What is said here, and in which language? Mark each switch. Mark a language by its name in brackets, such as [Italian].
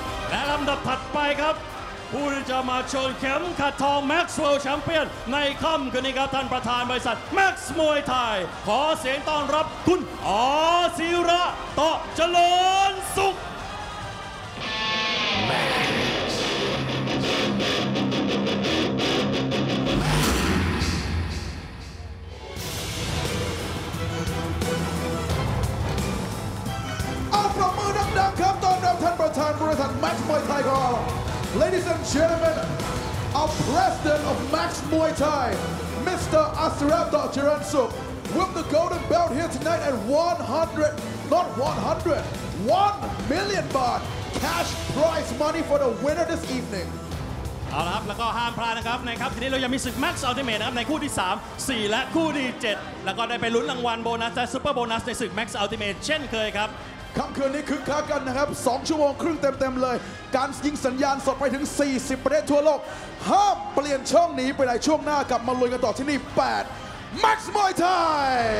[Thai] และลำดับถัดไปครับผู้ที่จะมาชนเข็มขัดทองแม็กซ์เวลล์แชมเปี้ยนในค่ำคืนนี้ครับท่านประธานบริษัทแม็กซ์มวยไทยขอเสียงต้อนรับคุณอศิระต่อเจริญสุข เอาประมือดังๆครับต้อนรับท่านประธานบริษัทแม็กซ์มวยไทยครับ [English] Ladies and gentlemen, our president of Max Muay Thai, Mr. Asirab Dajiransuk, with the golden belt here tonight at 100 million baht cash prize money for the winner this evening. [Thai] เอาละครับแล้วก็ห้ามพลาดนะครับในครับทีนี้เรายังมีศึก Max Ultimate นะครับในคู่ที่3 4และคู่ที่7แล้วก็ได้ไปลุ้นรางวัลโบนัสและซุปเปอร์โบนัสในศึก Max Ultimate เช่นเคยครับ ค่ำคืนนี้คึกคักกันนะครับ2ชั่วโมงครึ่งเต็มๆเลยการยิงสัญญาณสดไปถึง40ประเทศทั่วโลกห้ามเปลี่ยนช่องหนีไปไหนช่วงหน้ากลับมาลุยกันต่อที่นี่8 Max Muay Thai